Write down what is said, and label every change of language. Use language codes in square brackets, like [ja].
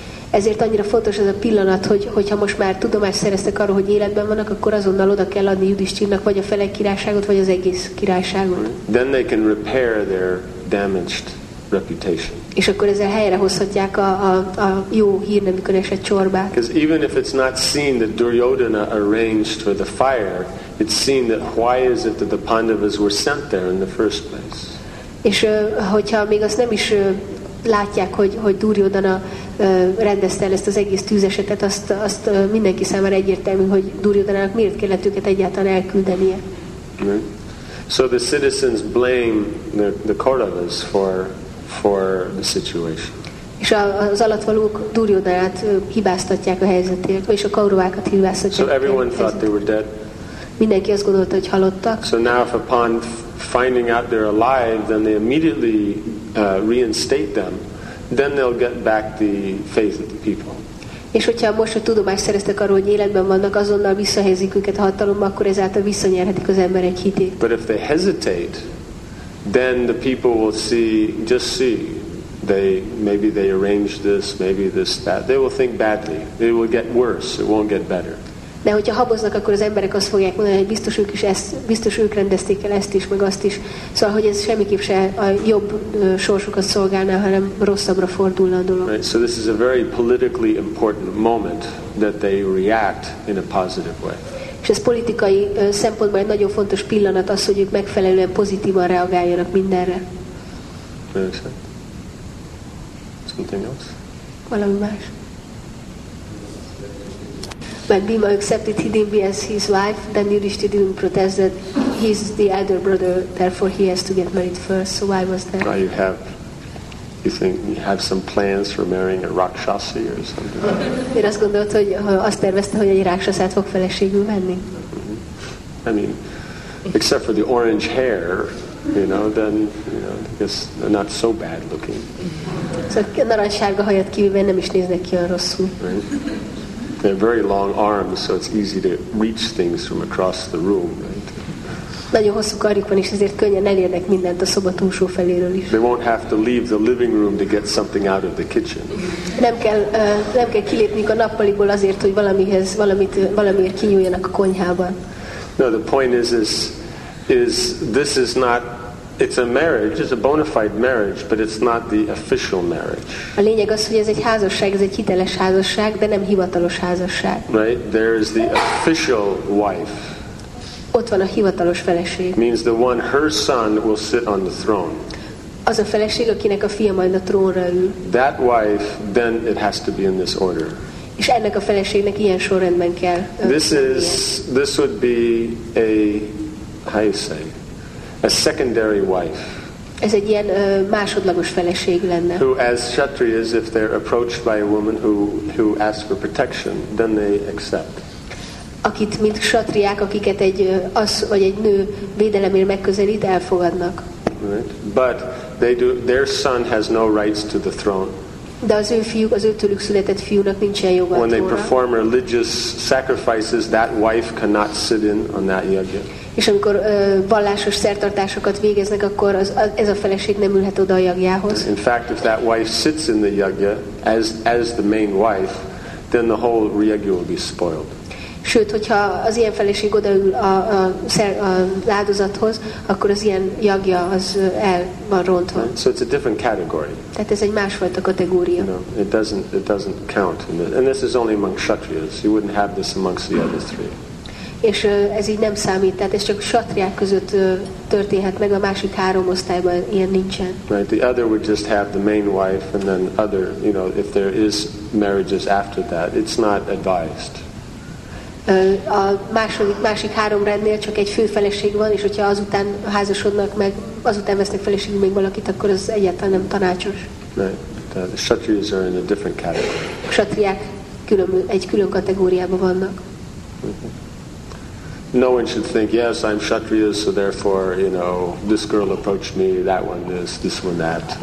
[hu] Ezért annyira fontos ez a pillanat, hogyha most már tudomást szereztek arról, hogy életben vannak, akkor azonnal oda kell adni Yudhishthirnak vagy a fele királyságot, vagy az egész királyságot. [en] Then they can repair their damaged reputation. [hu] És akkor ezzel helyrehozhatják a jó hírnevükön esett csorbát. [en] Because even if it's not seen that Duryodhana arranged for the fire, it's seen that why is it that the Pandavas were sent there in the first place. [hu] És hogyha még azt nem is látják, hogy Duryodhana rendezte el ezt az egész tűzesetet, azt mindenki számára egyértelmű, hogy Duryodhanának miért kellett őket egyáltalán elküldenie. [en] So the citizens blame the Kauravas for the situation. [hu] És az alattvalók Duryodhanát hibáztatják a helyzetért, vagyis a Kauravákat hibáztatják. [en] So everyone thought they were dead. [hu] Mindenki azt gondolta, hogy halottak. [en] So now if upon finding out they're alive, then they immediately reinstate them, then they'll get back the faith of the people. [hu] És hogyha most a tudomást szereztek arról, hogy életben vannak, azonnal visszahelyezik őket a hatalomba, akkor ezáltal visszanyerhetik az emberek hitét. [en] But if they hesitate, then the people will see, just see, maybe they arranged this, maybe this, that. They will think badly. It will get worse. It won't get better. [hu] De hogyha haboznak, akkor az emberek azt fogják mondani, hogy biztos ők is ezt, biztos ők rendezték el ezt is, meg azt is. Szóval, hogy ez semmiképp se a jobb sorsukat szolgálná, hanem rosszabbra fordulna a dolog. [en] Right, so this is a very politically important moment that they react in a positive way. [hu] És ez politikai szempontból egy nagyon fontos pillanat az, hogy ők megfelelően pozitívan reagáljanak mindenre. [en] Something else? [hu] Valami más. [en] When Bhima accepted Hidimbi as his wife, then Yudhishthir didn't protest that he's the elder brother, therefore he has to get married first. So why was that? Oh, you think you have some plans for marrying a Rakshasi or something? [hu] Én azt gondolt, hogy azt tervezte, hogy egy Rakshasát fog feleségül venni. [en] I mean, except for the orange hair, you know, then, you know, I guess they're not so bad looking. [hu] Szóval narancssárga hajat kivéve nem is néznek ki olyan rosszul. [en] They have very long arms, so it's easy to reach things from across the room. Right? [hu] Nagyon hosszú karjuk van, és ezért könnyen elérnek mindent a szoba túlsó feléről is. [en] They won't have to leave the living room to get something out of the kitchen. [hu] Nem kell kilépniük a nappaliból azért, hogy valamiért kinyúljanak a konyhában. [en] No, the point is this is not. It's a marriage, it's a bona fide marriage, but it's not the official marriage. [hu] A lényeg az, hogy ez egy házasság, ez egy hiteles házasság, de nem hivatalos házasság. [en] Right? There is the official wife. [hu] Ott van a hivatalos feleség. [en] Means the one her son will sit on the throne. [hu] Az a feleség, akinek a fia majd a trónra ül. [en] That wife, then it has to be in this order. [hu] És ennek a feleségnek ilyen sorrendben kell. [en] This would be a, how you say, a secondary wife. [hu] Ez egy ilyen másodlagos feleség lenne. [en] Who, as kshatriyas, if they're approached by a woman who asks for protection, then they accept. [hu] Akit mint kshatriyák, akiket egy az vagy egy nő védelemért megközelít, elfogadnak. [en] Right. But their son has no rights to the throne. [hu] De az ő fiúk, az őtőlük született fiúnak nincsen joga. [en] When they perform religious sacrifices, that wife cannot sit in on that yajna. [hu] És amikor vallásos szertartásokat végeznek, akkor ez a feleség nem ülhet oda a jagjához. [en] In fact, if that wife sits in the yajna as the main wife, then the whole yajna will be spoiled. [hu] Sőt, hogyha az ilyen feleség odaül az áldozathoz, akkor az ilyen jagja az el van rontva. [en] So it's a different category. [hu] Tehát ez egy másfajta kategória. [en] No, it doesn't count. And this is only among kshatriyas. You wouldn't have this amongst the other three. [hu] És ez így nem számít, tehát ez csak kshatriák között történhet meg, a másik három osztályban ilyen nincsen. [en] Right, the other would just have the main wife and then other, you know, if there is marriages after that, it's not advised. [hu] A másik három rendnél csak egy főfeleség van, és hogyha azután házasodnak meg, azután vesznek feleségül még valakit, akkor az egyáltalán nem tanácsos. [en] Right. The kshatriyas are in a different category. [hu] Kshatriák egy külön kategóriában vannak. [en] No one should think, yes, I'm kshatriya, so therefore, you know, this girl approached me, that one this one that.